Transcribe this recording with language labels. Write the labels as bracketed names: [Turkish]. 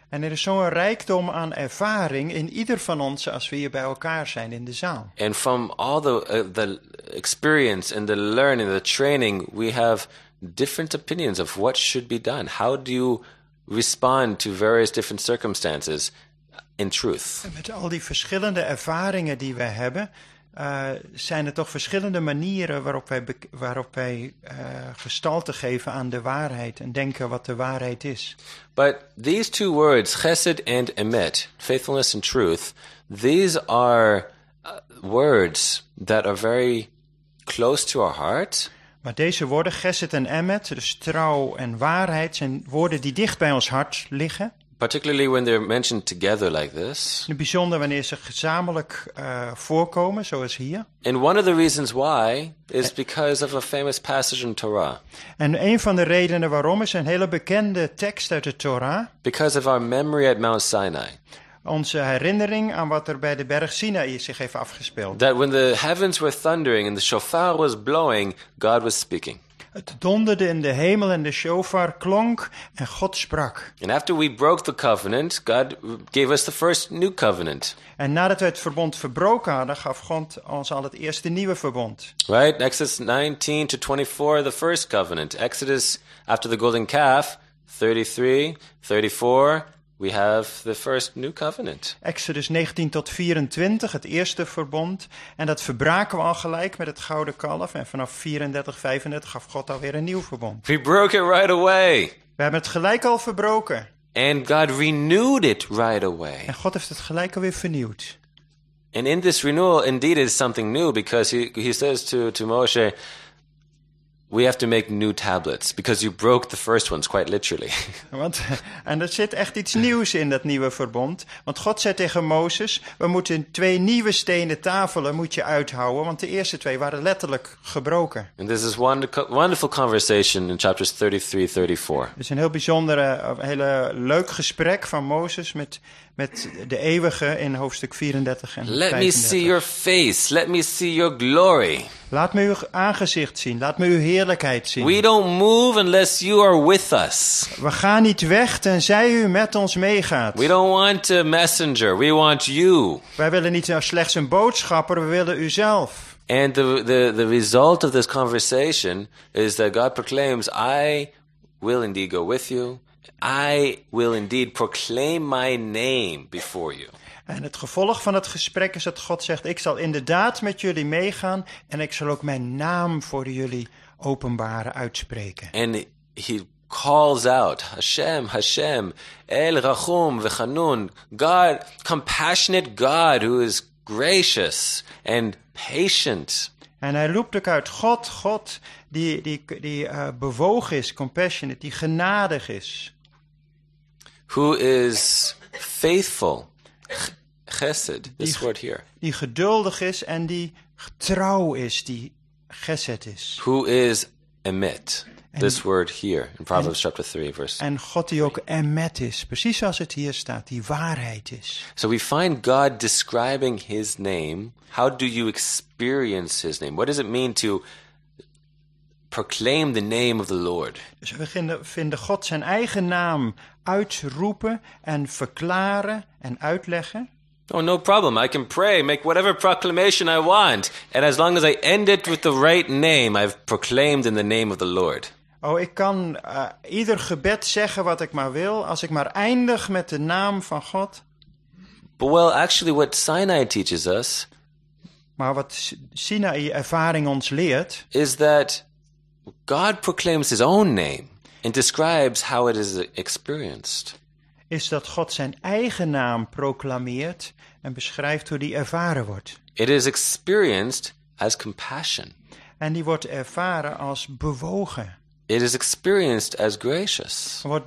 [Dutch] En er is zo'n rijkdom aan ervaring in ieder van ons als we hier bij elkaar zijn in de zaal. [English] And from all the experience and the learning, the training, we have different opinions of what should be done. How do you respond to various different circumstances in truth? [Dutch] En met al die verschillende ervaringen die we hebben, zijn er toch verschillende manieren waarop wij gestalte geven aan de waarheid en denken wat de waarheid is. [English] But these two words, chesed and emet, faithfulness and truth, these are words that are very close to our heart. [Dutch] Maar deze woorden, chesed en emet, dus trouw en waarheid, zijn woorden die dicht bij ons hart liggen. [English] Particularly when they're mentioned together like this. [Dutch] In het bijzonder wanneer ze gezamenlijk voorkomen, zoals hier. [English] And one of the reasons why is because of a famous passage in Torah. [Dutch] En een van de redenen waarom is een hele bekende tekst uit de Torah. [English] Because of our memory at Mount Sinai. [Dutch] Onze herinnering aan wat er bij de berg Sinai zich heeft afgespeeld. [English] That when the heavens were thundering and the shofar was blowing, God was speaking. [Dutch] Het donderde in de hemel en de shofar klonk en God sprak. [English] And after we broke the covenant, God gave us the first new covenant. [Dutch] En nadat we het verbond verbroken hadden, gaf God ons al het eerste nieuwe verbond. [English] Right, Exodus 19 to 24, the first covenant. Exodus after the golden calf, 33, 34, we have the first new covenant. [Dutch] Exodus 19 tot 24, het eerste verbond. En dat verbraken we al gelijk met het gouden kalf. En vanaf 34, 35 gaf God alweer een nieuw verbond. [English] We broke it right away. [Dutch] We hebben het gelijk al verbroken. [English] And God renewed it right away. [Dutch] En God heeft het gelijk alweer vernieuwd. [English] And in this renewal, indeed, is something new because he says to Moshe, we have to make new tablets because you broke the first ones, quite literally. [Dutch] Want, en er zit echt iets nieuws in dat nieuwe verbond. Want God zei tegen Mozes, we moeten twee nieuwe stenen tafelen moet je uithouden, want de eerste twee waren letterlijk gebroken. [English] And this is wonderful conversation in chapters 33, 34. [Dutch] Het is een heel bijzondere, hele leuk gesprek van Mozes met de eeuwige in hoofdstuk 34 en 35. [English] Let me see your face. Let me see your glory. [Dutch] Laat me uw aangezicht zien. Laat me uw heerlijkheid zien. [English] We don't move unless you are with us. [Dutch] We gaan niet weg tenzij u met ons meegaat. [English] We don't want a messenger. We want you. [Dutch] Wij willen niet slechts een boodschapper. We willen u zelf. [English] And the result of this conversation is that God proclaims, I will indeed go with you. I will indeed proclaim my name before you. [Dutch] En het gevolg van het gesprek is dat God zegt, ik zal inderdaad met jullie meegaan en ik zal ook mijn naam voor jullie openbaren, uitspreken. [English] And he calls out, Hashem, Hashem, [Hebrew] El Rachum V'chanun, [English] God, compassionate God who is gracious and patient. [Dutch] En hij roept ook uit, God, God, die bewogen is, compassionate, die genadig is. [English] Who is faithful. Chesed, this word here. [Dutch] Die geduldig is en die trouw is, die chesed is. [English] Who is emet, this word here, in Proverbs chapter 3, verse 3. [Dutch] En God die ook emet is, precies zoals het hier staat, die waarheid is. [English] So we find God describing his name. How do you experience his name? What does it mean to proclaim the name of the Lord? [Dutch] Dus we vinden God zijn eigen naam uitroepen en verklaren en uitleggen. [English] Oh, no problem. I can pray, make whatever proclamation I want. And as long as I end it with the right name, I've proclaimed in the name of the Lord. [Dutch] Oh, ik kan ieder gebed zeggen wat ik maar wil, als ik maar eindig met de naam van God. [English] But well, actually what Sinai teaches us... [Dutch] Maar wat Sinai ervaring ons leert... [English] Is that God proclaims his own name and describes how it is experienced. [Dutch] Is dat God zijn eigen naam proclameert en beschrijft hoe die ervaren wordt. [English] It is experienced as compassion. [Dutch] En die wordt ervaren als bewogen. [English] It is experienced as gracious.